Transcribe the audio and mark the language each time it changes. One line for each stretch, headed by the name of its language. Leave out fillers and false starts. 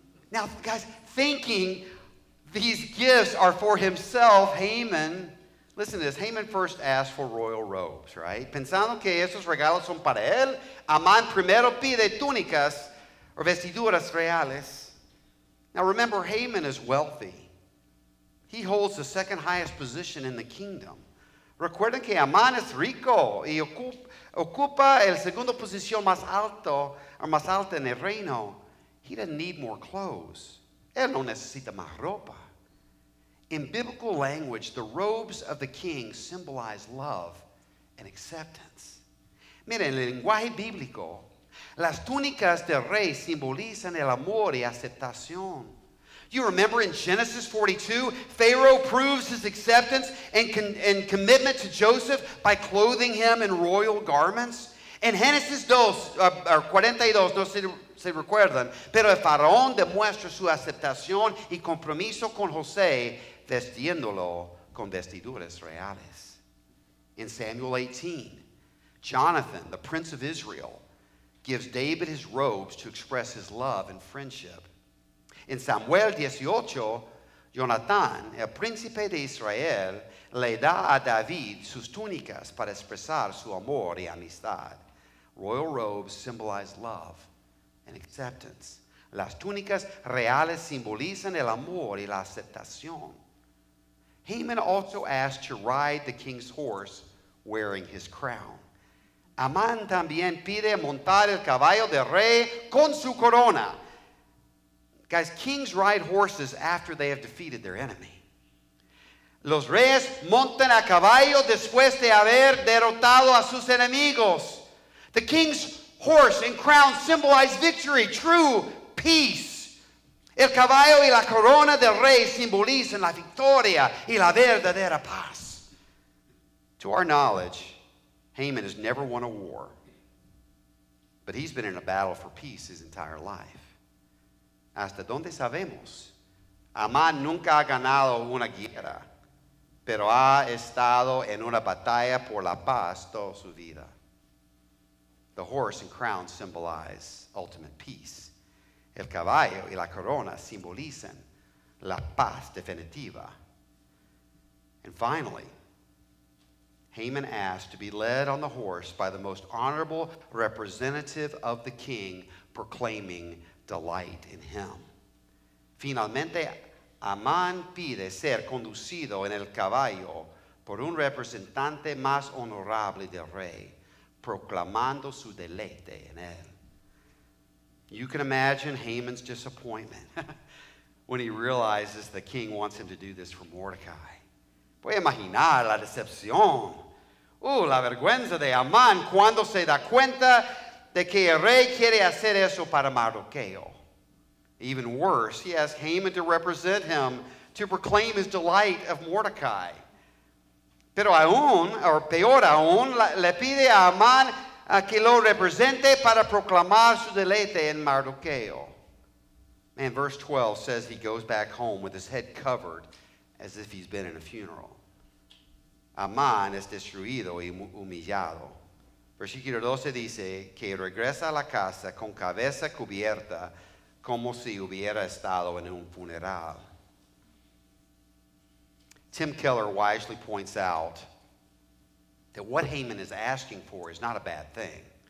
English: Now, guys, thinking these gifts are for himself, Haman, listen to this, Haman first asked for royal robes, right?
Spanish: Pensando que esos regalos son para él, Amán primero pide túnicas o vestiduras reales.
English: Now, remember, Haman is wealthy. He holds the second highest position in the kingdom.
Spanish: Recuerden que Amán es rico y ocupa el segundo posición más alto o más alta en el reino.
English: He doesn't need more clothes.
Spanish: Él no necesita más ropa.
English: In biblical language, the robes of the king symbolize love and acceptance.
Spanish: Mira, en el lenguaje bíblico, las túnicas del rey simbolizan el amor y aceptación.
English: You remember in Genesis 42, Pharaoh proves his acceptance and commitment to Joseph by clothing him in royal garments.
Spanish: En Génesis 42, no sé si recuerdan, pero el faraón demuestra su aceptación y compromiso con José vestiéndolo con vestiduras reales.
English: In Samuel 18, Jonathan, the prince of Israel, gives David his robes to express his love and friendship.
Spanish: In Samuel 18, Jonathan, el príncipe de Israel, le da a David sus túnicas para expresar su amor y amistad.
English: Royal robes symbolize love and acceptance.
Spanish: Las túnicas reales simbolizan el amor y la aceptación.
English: Haman also asked to ride the king's horse wearing his crown.
Spanish: Amán también pide montar el caballo del rey con su corona.
English: Guys, kings ride horses after they have defeated their enemy.
Spanish: Los reyes montan a caballo después de haber derrotado a sus enemigos.
English: The king's horse and crown symbolize victory, true peace.
Spanish: El caballo y la corona del rey simbolizan la victoria y la verdadera paz.
English: To our knowledge, Haman has never won a war, but he's been in a battle for peace his entire life.
Spanish: Hasta donde sabemos, Amán nunca ha ganado una guerra, pero ha estado en una batalla por la paz toda su vida.
English: The horse and crown symbolize ultimate peace.
Spanish: El caballo y la corona simbolizan la paz definitiva.
English: And finally, Haman asked to be led on the horse by the most honorable representative of the king, proclaiming delight in him.
Spanish: Finalmente, Amán pide ser conducido en el caballo por un representante más honorable del rey, proclamando su deleite en él.
English: You can imagine Haman's disappointment when he realizes the king wants him to do this for Mordecai.
Spanish: Puede imaginar la decepción. La vergüenza de Amán cuando se da cuenta de que el rey quiere hacer eso para Mardoqueo.
English: Even worse, he asks Haman to represent him to proclaim his delight of Mordecai.
Spanish: Pero aún, o peor aún, le pide a Amán que lo represente para proclamar su deleite en Mardoqueo.
English: And verse 12 says he goes back home with his head covered as if he's been in a funeral.
Spanish: Amán es destruido y humillado. Versículo 12 dice que regresa a la casa con cabeza cubierta como si hubiera estado en un funeral.
English: Tim Keller wisely points out that what Haman is asking for is not a bad thing.